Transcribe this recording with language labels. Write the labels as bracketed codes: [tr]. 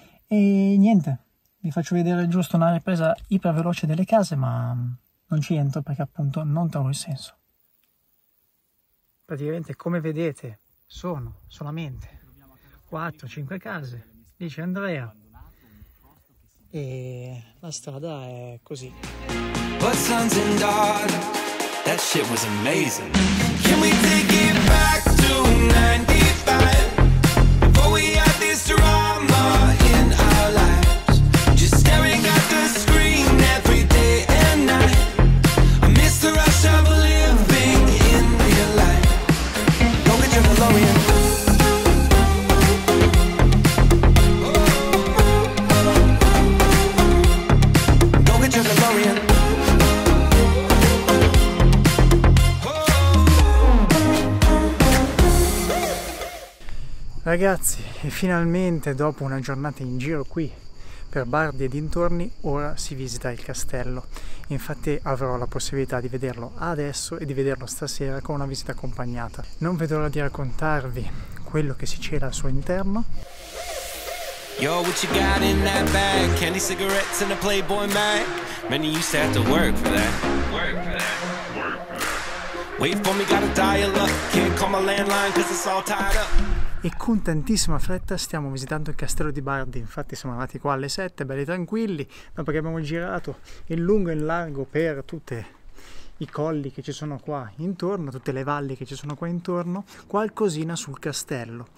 [it] E niente, vi faccio vedere giusto una ripresa iperveloce delle case, ma non ci entro perché appunto non trovo il senso. Praticamente, come vedete, sono solamente 4-5 case. Lì c'è Andrea e la strada è così. [en] But sons and daughters, that shit was amazing. Can we take it back to 95 before we had this drama in our lives? Just staring at the screen every day and night. I miss the rush of living in real life. Don't get your DeLorean. [it] Ragazzi, e finalmente dopo una giornata in giro qui per Bardi e dintorni, ora si visita il castello. Infatti avrò la possibilità di vederlo adesso e di vederlo stasera con una visita accompagnata. Non vedo l'ora di raccontarvi quello che si cela al suo interno. [en] Yo, what you got in that bag? Candy cigarettes and a Playboy mag. Many used to have to work for that. Wait for me, gotta dial up. Can't call my landline cause it's all tied up. [it] E con tantissima fretta stiamo visitando il castello di Bardi. Infatti siamo arrivati qua alle 7, belli tranquilli, dopo che abbiamo girato in lungo e in largo per tutte i colli che ci sono qua intorno, tutte le valli che ci sono qua intorno, qualcosina sul castello.